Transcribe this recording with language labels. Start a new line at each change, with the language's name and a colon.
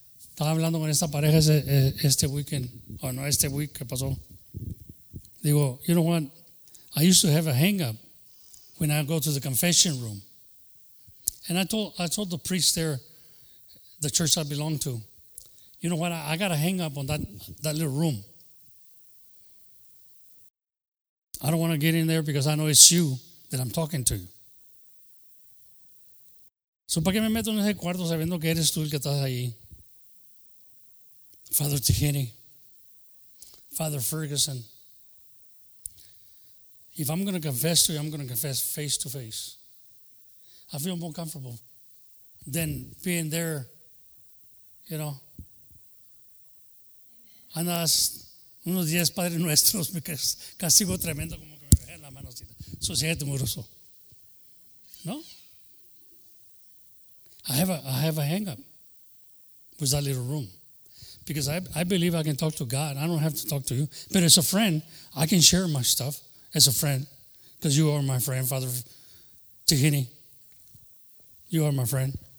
Spanish: Estaba hablando con esta pareja este weekend, o no, este week que pasó. Digo,
English: you know what? I used to have a hang-up when I go to the confession room. And I told the priest there, the church I belong to, you know what? I got a hang-up on that little room. I don't want to get in there because I know it's you that I'm talking to.
Spanish: So, ¿para qué me meto en ese cuarto sabiendo que eres tú el que estás ahí?
English: Father Tijini, Father Ferguson, if I'm going to confess to you, I'm going to confess face to face. I feel more comfortable than being there, you know.
Spanish: Andas unos días, Padre Nuestros, me castigo tremendo como que me dejé en la mano. Eso sí es temoroso. ¿No?
English: I have a hang up with that little room because I believe I can talk to God. I don't have to talk to you. But as a friend, I can share my stuff as a friend because you are my friend, Father Tijini. You are my friend.